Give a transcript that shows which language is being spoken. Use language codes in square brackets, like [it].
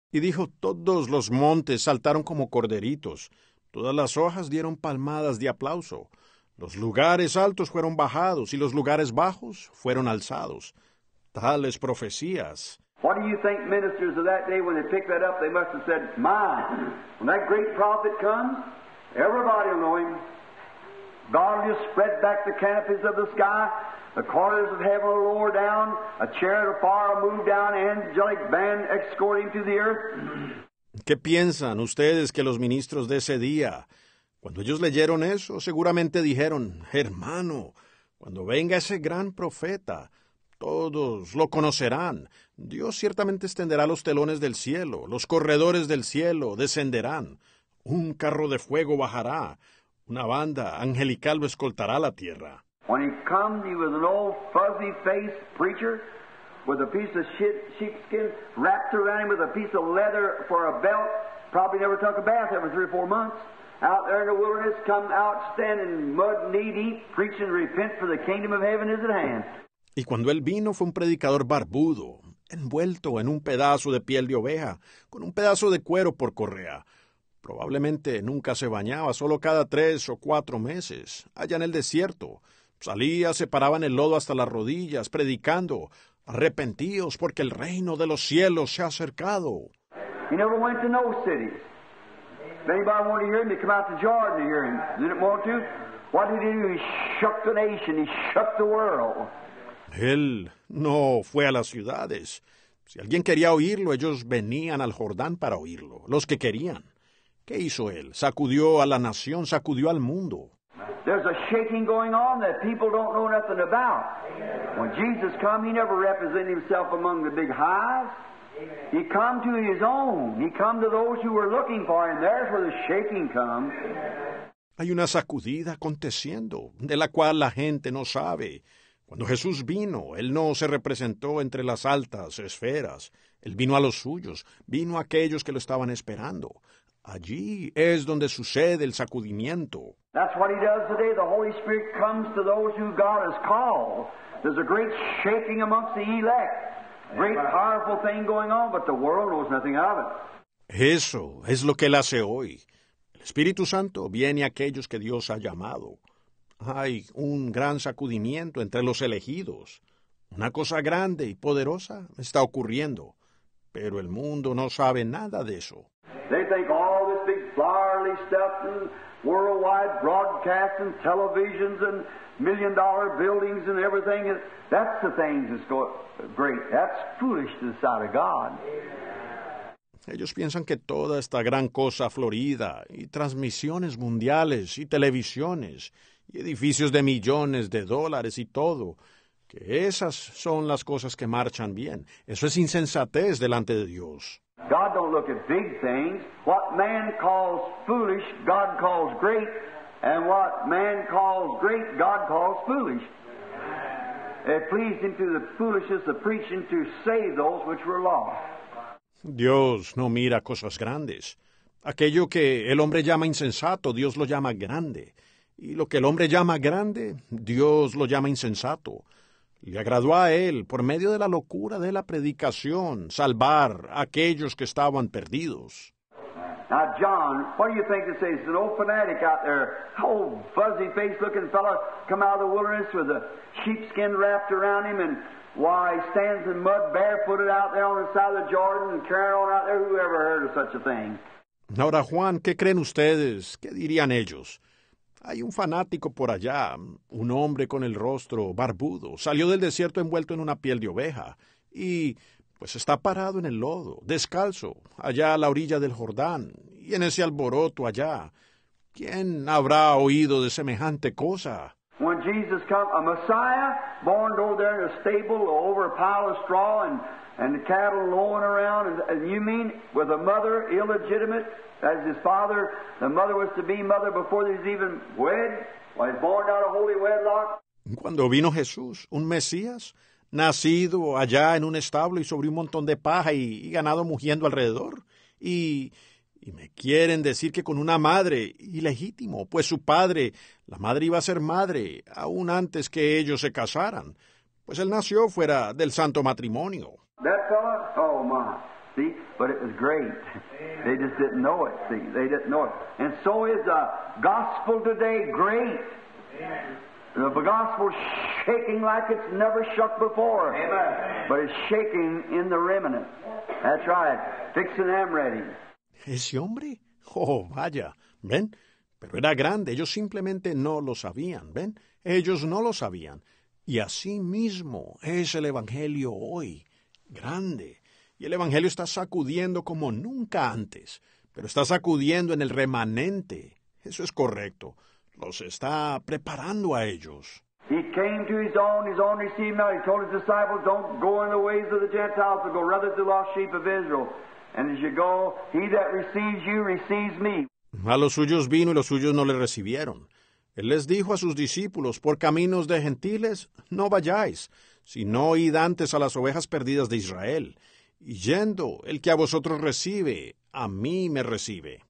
[es] Y dijo, todos los montes saltaron como corderitos, todas las hojas dieron palmadas de aplauso, los lugares altos fueron bajados, y los lugares bajos fueron alzados. Tales profecías. [en] What do you think ministers of that day, when they picked that up, they must have said, my, when that great prophet comes, everybody will know him. God will just spread back the canopies of the sky, the corners of heaven will lower down, a chariot of fire will move down, angelic band escort him to the earth. [es] ¿Qué piensan ustedes que los ministros de ese día, cuando ellos leyeron eso, seguramente dijeron, hermano, cuando venga ese gran profeta, todos lo conocerán. Dios ciertamente extenderá los telones del cielo, los corredores del cielo descenderán, un carro de fuego bajará, una banda angelical lo escoltará a la tierra. [en] When he comes, he was an old fuzzy-faced preacher with a piece of sheepskin wrapped around him with a piece of leather for a belt, probably never took a bath every three or four months. Out there in the wilderness, come out, standing mud needy, preaching, repent, for the kingdom of heaven is at hand. [es] Y cuando él vino, fue un predicador barbudo, envuelto en un pedazo de piel de oveja, con un pedazo de cuero por correa. Probablemente nunca se bañaba, solo cada tres o cuatro meses, allá en el desierto. Salía, se paraba en el lodo hasta las rodillas, predicando, arrepentíos, porque el reino de los cielos se ha acercado. [en] He never went to no city. If anybody wanted to hear him, they'd come out to Jordan to hear him. Didn't want to? What did he do? He shook the nation. He shook the world. [es] Él no fue a las ciudades. Si alguien quería oírlo, ellos venían al Jordán para oírlo, los que querían. ¿Qué hizo él? Sacudió a la nación, sacudió al mundo. [en] There's a shaking going on that people don't know nothing about. When Jesus come, he never represented himself among the big hives. He come to his own. He come to those who were looking for him. There's where the shaking comes. [es] Hay una sacudida aconteciendo, de la cual la gente no sabe. Cuando Jesús vino, él no se representó entre las altas esferas. Él vino a los suyos, vino a aquellos que lo estaban esperando. Allí es donde sucede el sacudimiento. [en] That's what he does today. The Holy Spirit comes to those who God has called. There's a great shaking amongst the elect. Great powerful thing going on, but the world knows nothing of it. [es] Eso es lo que él hace hoy. El Espíritu Santo viene a aquellos que Dios ha llamado. Hay un gran sacudimiento entre los elegidos. Una cosa grande y poderosa está ocurriendo, pero el mundo no sabe nada de eso. [en] They think all this big flowery stuff and worldwide broadcasts and televisions and million-dollar buildings and everything, that's the thing that's great. That's foolish to the sight of God. [es] Ellos piensan que toda esta gran cosa florida y transmisiones mundiales y televisiones y edificios de millones de dólares y todo, que esas son las cosas que marchan bien. Eso es insensatez delante de Dios. [en] God don't look at big things. What man calls foolish, God calls great. And what man calls great, God calls foolish. It pleased him to the foolishness of preaching to save those which were lost. [es] Dios no mira cosas grandes. Aquello que el hombre llama insensato, Dios lo llama grande. Y lo que el hombre llama grande, Dios lo llama insensato. Le agradó a él, por medio de la locura de la predicación, salvar a aquellos que estaban perdidos. [en] Now, John, what do you think they say? It's an old fanatic out there, old fuzzy-faced-looking fellow, come out of the wilderness with a sheepskin wrapped around him and Why, he stands in mud barefooted out there on the side of the Jordan and carrying on out there. Who ever heard of such a thing? [es] Ahora, Juan, ¿qué creen ustedes? ¿Qué dirían ellos? Hay un fanático por allá, un hombre con el rostro barbudo. Salió del desierto envuelto en una piel de oveja y, pues, está parado en el lodo, descalzo, allá a la orilla del Jordán y en ese alboroto allá. ¿Quién habrá oído de semejante cosa? [en] When Jesus come, a Messiah born over there in a stable over a pile of straw and the cattle lowing around, and you mean with a mother illegitimate as his father, the mother was to be mother before he was even wed, while he's born out of holy wedlock? [es] Cuando vino Jesús, un Mesías, nacido allá en un establo y sobre un montón de paja y ganado mugiendo alrededor, y me quieren decir que con una madre, ilegítimo, pues su padre, la madre iba a ser madre aún antes que ellos se casaran, pues él nació fuera del santo matrimonio. [en] That fella, oh my, see, but it was great. They just didn't know it, see, they didn't know it. And so is the gospel today great. The gospel shaking like it's never shook before. Amen. But it's shaking in the remnant. That's right, fixing them ready. [es] ¿Ese hombre? Oh, vaya, ¿ven? Pero era grande, ellos simplemente no lo sabían, ¿ven? Ellos no lo sabían. Y así mismo es el Evangelio hoy, grande. Y el Evangelio está sacudiendo como nunca antes, pero está sacudiendo en el remanente. Eso es correcto. Los está preparando a ellos. [en] He came to his own received not. He told his disciples, don't go in the ways of the Gentiles, but go rather to the lost sheep of Israel. And as you go, he that receives you receives me. [es] A los suyos vino y los suyos no le recibieron. Él les dijo a sus discípulos, por caminos de gentiles no vayáis, sino id antes a las ovejas perdidas de Israel. Y yendo, el que a vosotros recibe, a mí me recibe.